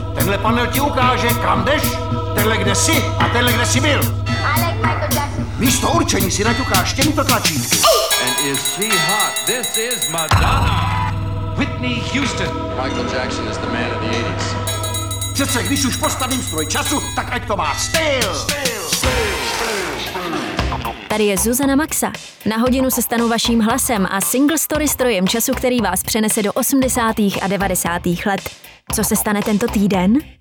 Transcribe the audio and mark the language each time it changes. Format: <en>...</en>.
<cs>Tenhle panel ti ukáže, kam jdeš, tenhle kde jsi a tenhle kde jsi byl. Místo určení si naťukáš těmito tlačítky.</cs> <en>And is she hot? This is Madonna. Whitney Houston. Michael Jackson is the man of the 80s.</en> <cs>Přece, když už postavím stroj času, tak ať to má styl. Tady je Zuzana Maxa. Na hodinu se stanu vaším hlasem a single story strojem času, který vás přenese do 80. a 90. let. Co se stane tento týden?</cs>